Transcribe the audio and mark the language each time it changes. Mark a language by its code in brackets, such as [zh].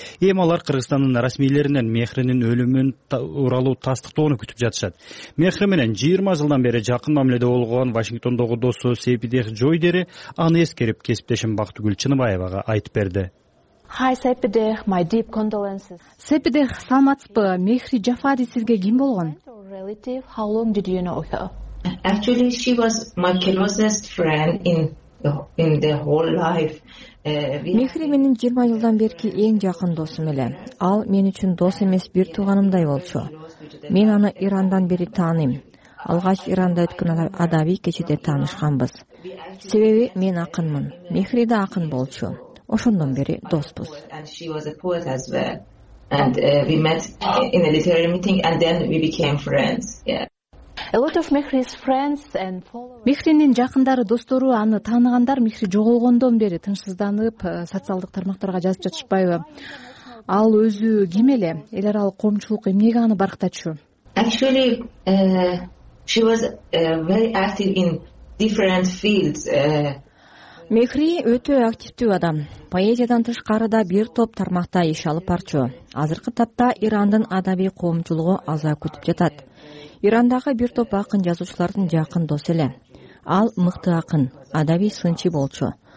[ky] Эми алар Кыргызстандын расмийлеринен Мехринин өлүмүн тууралуу тастыктоону күтүп жатышат. Мехри менен 20 жылдан бери жакын мамиледе болгон Вашингтондогу досу Сейпидех Джойдери аны эскерип кесиптешим Бактыгүл Чыныбаевага айтып берди. [en] Hi Sepideh, my deep condolences. [ky] Sepideh, саламатсызбы? Мехри Жафари сизге ким болгон? [en] Relative, how long did you know her? Actually, she was my closest friend in the whole life. [ky] Мехри менин 20 жылдан берки эң жакын досум эле. Ал мен үчүн дос эмес, бир тууганымдай болчу. Мен аны Ирандан бери тааныйм. Алгач Иранда өткөн адабий кечеде таанышканбыз. Себеби мен акынмын. Мехри да акын болчу. Ошондон бери доспуз. [en] And she was a poet as well. And we met in a literary meeting and then we became friends. Yeah. A lot of Mehri's friends and followers. [ky] Мехринин жакындары, достору аны таанагандар Мехри жоголгондон бери тынчсызданып, социалдык тармактарга жазып жатышпайбы? Ал өзү ким эле? Эл аралык коомчулук эмнеге аны барктачу? [en] Actually, she was very active in different fields. [ky] Мехри өтө активдүү адам. Поэзиядан тышкары да бир топ тармакта иш алып барчу. Азыркы тапта Ирандын адабий коомчулугу аза күтүп жатат. Ирандагы бир топ акын жазуучулардын жакын досу эле. Ал мыкты акын, адабий сынчы болчу.